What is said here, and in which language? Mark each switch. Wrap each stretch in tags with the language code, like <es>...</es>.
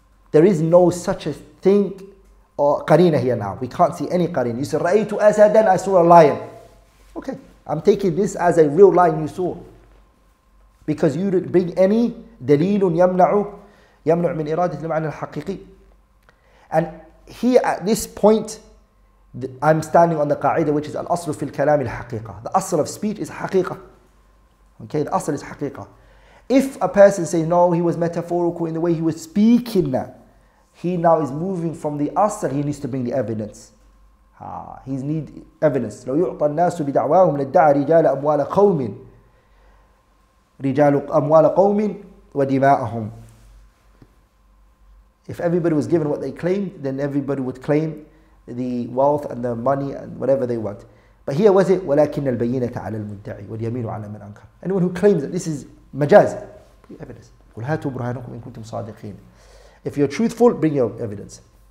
<en>There is no such a thing or qarina here now. We can't see any qarina. You say ra'aytu asadan, I saw a lion. Okay, I'm taking this as a real lion you saw, because you didn't bring any dalil yamna'u.</en> <ar>يمنع من إرادة المعنى الحقيقي.</ar> <en>And here at this point, I'm standing on the قاعدة, which is</en> <ar>الأصل في الكلام الحقيقة.</ar> <en>The أصل of speech is حقيقة. Okay, the أصل is حقيقة. If a person says, no, he was metaphorical in the way he was speaking, he now is moving from the أصل, he needs to bring the evidence. He needs evidence.</en> <ar>لو يعطى الناس بدعواهم لدعى رجال أموال قوم رجال أموال قوم ودماءهم.</ar> <en>If everybody was given what they claimed, then everybody would claim the wealth and the money and whatever they want. But here was it,</en> <ar>وَلَكِنَّ الْبَيِّنَةَ عَلَى الْمُدَّعِي وَالْيَمِينُ عَلَى مَنْ أَنْكَرَ.</ar> <en>Anyone who claims that this is majaz, evidence.</en> <ar>قُلْ هَاتُوا بُرْهَانَكُمْ إِن كُنْتُمْ صَادِقِينَ.</ar> <en>If you're truthful, bring your evidence.</en>